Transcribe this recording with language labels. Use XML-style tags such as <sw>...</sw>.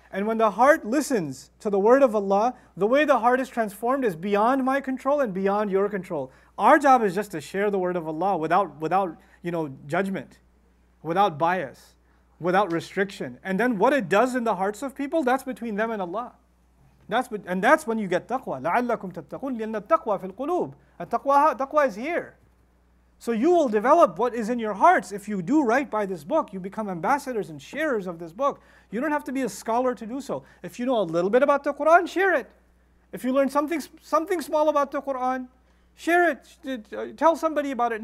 <en>And when the heart listens to the word of Allah, the way the heart is transformed is beyond my control and beyond your control. Our job is just to share the word of Allah without you know, judgment, without bias, without restriction. And then what it does in the hearts of people, that's between them and Allah. That's when you get taqwa.</en> <ar>لَعَلَّكُمْ تَتَّقُونَ لِأَنَّ التَّقْوَى فِي الْقُلُوبِ التَّقْوَى</ar> <en>is here. So you will develop what is in your hearts if you do right by this book. You become ambassadors and sharers of this book. You don't have to be a scholar to do so. If you know a little bit about the Qur'an, share it. If you learn something small about the Qur'an, share it, tell somebody about it.</en>